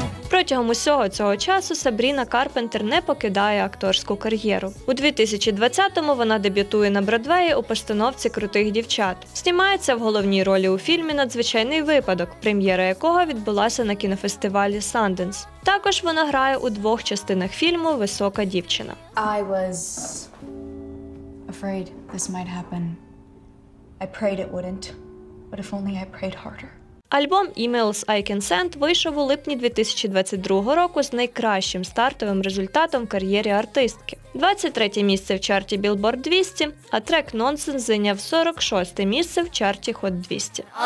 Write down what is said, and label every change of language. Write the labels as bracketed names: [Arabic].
[Ukrainian] Протягом усього цього часу Сабріна Карпентер не покидає акторську кар'єру. У 2020-му вона дебютує на Бродвеї у постановці «Крутих дівчат». Знімається в головній ролі у фільмі «Надзвичайний випадок», прем'єра якого відбулася на кінофестивалі Sundance. Також вона грає у двох частинах фільму «Висока дівчина». [English] I was afraid this might happen. I prayed it wouldn't, but if only I prayed harder. [Ukrainian] Альбом «Emails I Can Send» вийшов у липні 2022 року з найкращим стартовим результатом в кар'єрі артистки. 23 місце в чарті Billboard 200, а трек «Nonsense» зайняв 46 місце в чарті Hot 200.